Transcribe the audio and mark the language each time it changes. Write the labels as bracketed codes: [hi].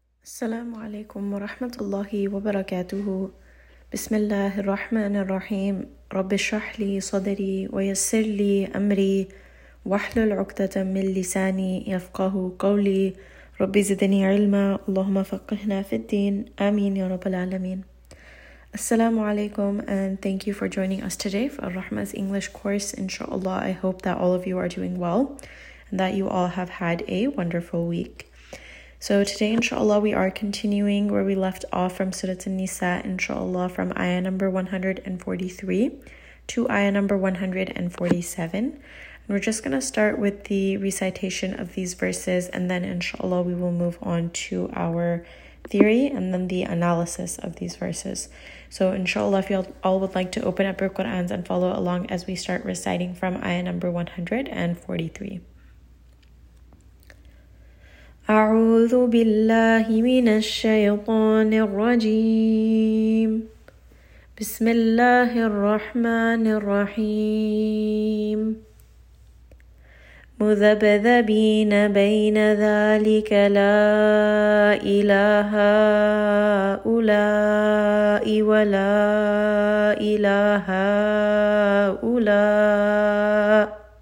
[ar] السلام عليكم ورحمة الله وبركاته. بسم الله الرحمن الرحيم. رب اشرح لي صدري ويسر لي أمري واحلل عقدة من لساني يفقه قولي. رب زدني علما، اللهم فقهنا في الدين، آمين يا رب العالمين. السلام عليكم [en] and thank you for joining us today for Rahma's English course. Inshallah, I hope that all of you are doing well and that you all have had a wonderful week. So today, inshallah, we are continuing where we left off from Surat An-Nisa, inshallah, from ayah number 143 to ayah number 147. And we're just going to start with the recitation of these verses, and then inshallah, we will move on to our theory and then the analysis of these verses. So inshallah, if you all would like to open up your Qur'ans and follow along as we start reciting from ayah number 143. [ar] أعوذ بالله من الشيطان الرجيم بسم الله الرحمن الرحيم مذبذبين بين ذلك لا إله هؤلاء ولا إله هؤلاء